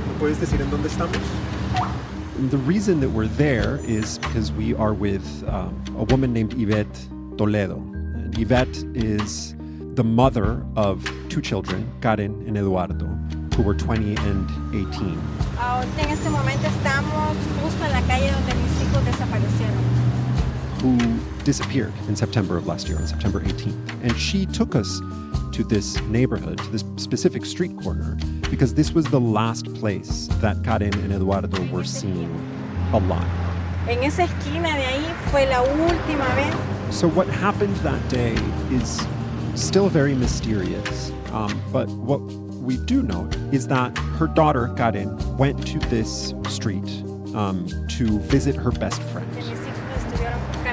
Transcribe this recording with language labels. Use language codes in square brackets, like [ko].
[es] ¿Puedes decir en dónde estamos? [en] The reason that we're there is because we are with a woman named Yvette Toledo. And Yvette is the mother of two children, Karen and Eduardo, who were 20 and 18. [es] Ahora en este momento estamos justo en la calle donde mis hijos desaparecieron. [en] Who disappeared in September of last year, on September 18th. And she took us to this neighborhood, to this specific street corner, because this was the last place that Karen and Eduardo were seen alive. [es] En esa esquina de ahí fue la última vez. [en] So what happened that day is still very mysterious. But what we do know is that her daughter, Karen, went to this street to visit her best friend.